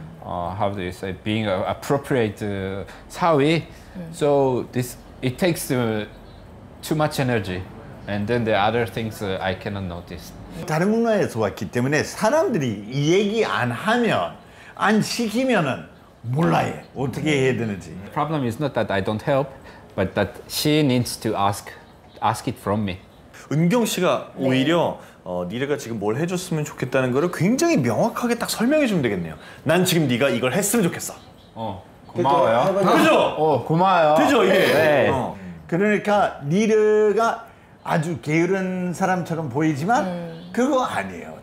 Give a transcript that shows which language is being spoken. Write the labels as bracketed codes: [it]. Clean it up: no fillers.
[en] How do you say, being an appropriate sawi. So this, it takes too much energy. And then the other things I cannot notice. [ko] 다른 문화에서 왔기 때문에 사람들이 이 얘기 안 하면, 안 시키면은 몰라요. 어떻게 해야 되는지. [en] The problem is not that I don't help, but that she needs to ask it from me. [ko] 은경 씨가 오히려 니르가 지금 뭘 해줬으면 좋겠다는 거를 굉장히 명확하게 딱 설명해 주면 되겠네요. 난 지금 네가 이걸 했으면 좋겠어. 고마워요. 그죠? 고마워요. 그죠 이게. 네. 그러니까 니르가 아주 게으른 사람처럼 보이지만 그거 아니에요.